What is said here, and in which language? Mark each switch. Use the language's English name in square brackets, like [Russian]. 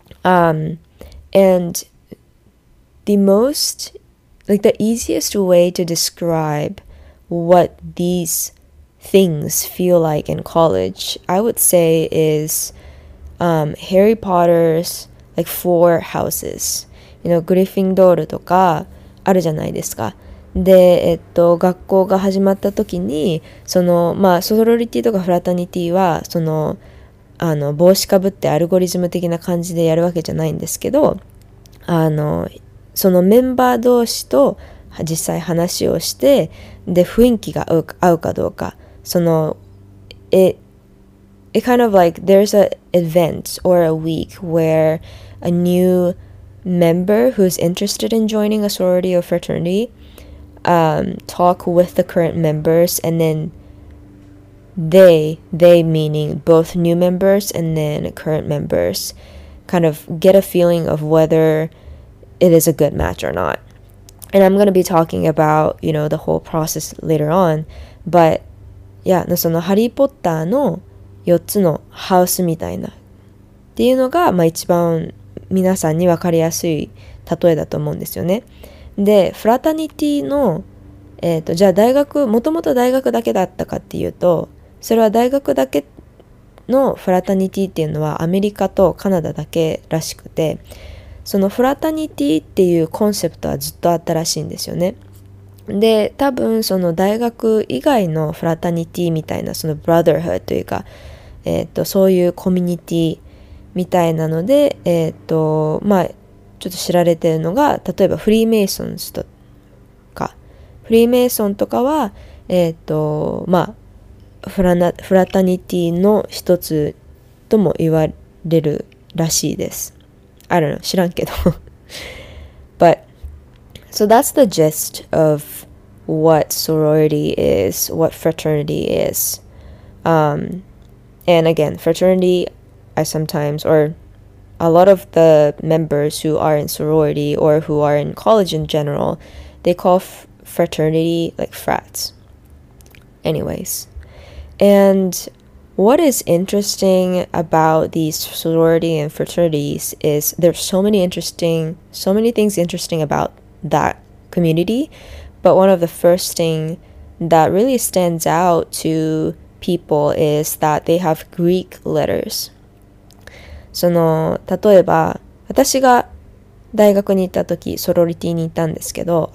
[English] And the most, like the easiest way to describe what these things feel like in college, I would say is Harry Potter's like four houses. You know, [Japanese] Gryffindor とかあるじゃないですか。で、学校が始まった時に、その、まあ、ソロリティとかフラタニティは、その、あの、帽子かぶってアルゴリズム的な感じでやるわけじゃないんですけど、あの、そのメンバー同士と実際話をして、で、雰囲気が合うかどうか、その、 [English] It kind of like there's an event or a week where a new member who's interested in joining a sorority or fraternity talk with the current members and then they meaning both new members and then current members kind of get a feeling of whether it is a good match or not. And I'm going to be talking about, you know, the whole process later on, but [Japanese] yeah, そのハリーポッターの4つのハウスみたいなっていうのが、まあ、一番皆さんに分かりやすい例えだと思うんですよね。で、フラタニティの、じゃあ大学、もともと大学だけだったかっていうと、それは大学だけのフラタニティっていうのはアメリカとカナダだけらしくて、そのフラタニティっていうコンセプトはずっとあったらしいんですよね。で、多分その大学以外のフラタニティみたいな、そのブラザーフードというか、そういうコミュニティみたいなので、まあ、ちょっと知られてるのが、例えばフリーメイソンズとか、フリーメイソンとかは、まあ、フラタニティの一つとも言われるらしいです。 [English] I don't know, [Japanese] 知らんけど。 [English] But,So that's the gist of what sorority is, what fraternity is. And again, fraternity, I sometimes, or a lot of the members who are in sorority or who are in college in general, they call fraternity like frats. Anyways, and what is interesting about these sorority and fraternities is there's so many things interesting about that community. But one of the first thing that really stands out to people is that they have Greek letters. [Japanese] その例えば私が大学に行った時ソロリティに行ったんですけど